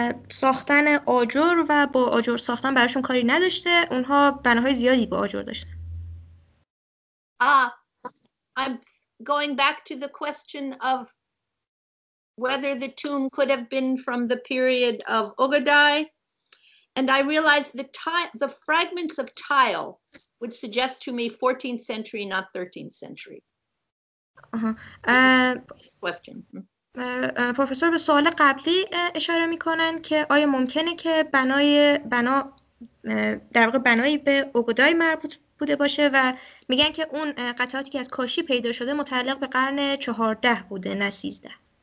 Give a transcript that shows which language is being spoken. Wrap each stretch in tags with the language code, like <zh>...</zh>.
<fa>ساختن آجر و با آجر ساختن براشون کاری نداشته. اونها بناهای زیادی با آجر داشتن.</fa> <en>I'm going back to the question of whether the tomb could have been from the period of Ogadai, and I realized the fragments of tile would suggest to me 14th century, not 13th century. Question.</en> <fa>پروفسور به سوال قبلی اشاره میکنن که آیا ممکنه که در واقع بنایی به اوگودای مربوط بوده باشه و میگن که اون قطعاتی که از کاشی پیدا شده متعلق به قرن 14 بوده نه 13.</fa>